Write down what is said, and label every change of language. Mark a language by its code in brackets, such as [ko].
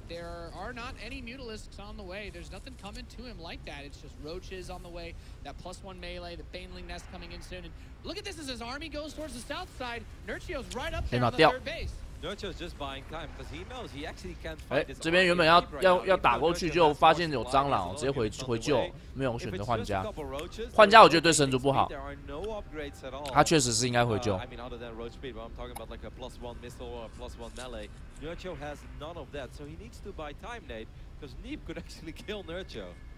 [en] There are not any mutalisks on the way. There's nothing coming to him like that. It's just roaches on the way. That plus one melee, the baneling nest coming in soon. And look at this as his army goes towards the south side. Nurchio's right up there on the third base. Nurchio's just buying time because he knows he actually can't fight this army. [zh] 这边原本要打过去，就发现有蟑螂，直接回救，没有选择换家。换家我觉得对神族不好。他确实是应该回救。 [en] I mean, other than roach speed, but I'm talking about like a plus one missile or a plus one melee. Nurchio has none of that, so he needs to buy time, Nate, because Neep could actually kill Nurchio.